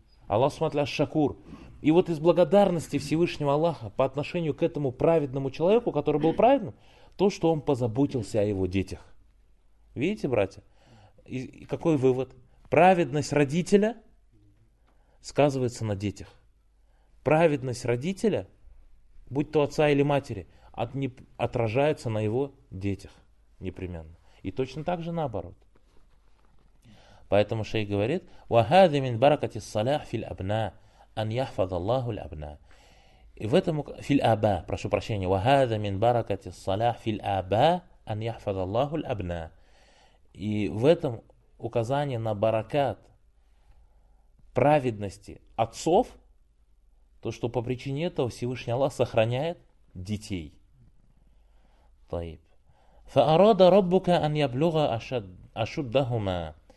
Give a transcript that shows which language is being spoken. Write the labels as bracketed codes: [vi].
[ru] Аллах субханаху ва тааля аш-шакур. И вот из благодарности Всевышнего Аллаха по отношению к этому праведному человеку, который был праведным, то, что он позаботился о его детях. Видите, братья? И какой вывод? Праведность родителя сказывается на детях. Праведность родителя, будь то отца или матери, отражается на его детях непременно. И точно так же наоборот. Поэтому шейх говорит, [ar] وَهَذِ مِنْ بَرَكَةِ الصَّلَاحِ فِي الْأَبْنَى أَنْ يَحْفَظَ اللَّهُ الْأَبْنَى. [ru] И в этом, [ar] فِي الْأَبَى, [ru] прошу прощения, [ar] وَهَذَ مِنْ بَرَكَةِ الصَّلَاحِ فِي الْأَبَى أَنْ يَحْفَظَ اللَّهُ الْأَبْنَى. [ru] И в этом указание на баракат праведности отцов, то, что по причине этого Всевышний Аллах сохраняет детей. [ar] Таиб. فَأَرَادَ رَبُّكَ أَنْ يَبْلُغَ أَشُدَّهُمَا.